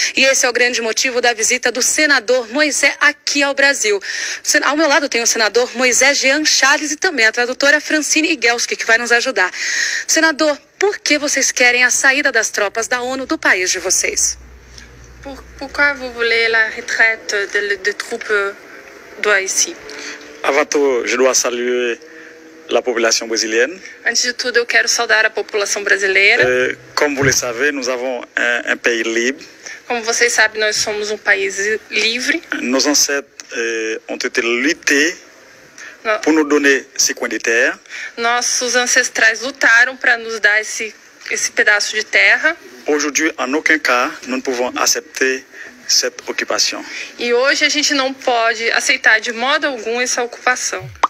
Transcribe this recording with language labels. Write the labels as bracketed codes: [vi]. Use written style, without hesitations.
[pt] E esse é o grande motivo da visita do senador Moisés aqui ao Brasil. Ao meu lado tem o senador Moisés Jean Charles e também a tradutora Francine Igelski, que vai nos ajudar. Senador, por que vocês querem a saída das tropas da ONU do país de vocês? [fr] Pourquoi vous voulez la retraite des troupes [pt] do [fr] Haïti? Avant tout, je dois saluer la population brésilienne. [pt] Antes de tudo, eu quero saudar a população brasileira. Como [fr] vous le savez, nous avons un pays libre. [pt] Como vocês sabem, nós somos país livre. [fr] Nos ancêtres ont été luttés pour nous donner ce coin de terre. [pt] Nossos ancestrais lutaram para nos dar esse pedaço de terra. [fr] Aujourd'hui, en aucun cas, nous ne pouvons accepter cette occupation. [pt] E hoje a gente não pode aceitar de modo algum essa ocupação.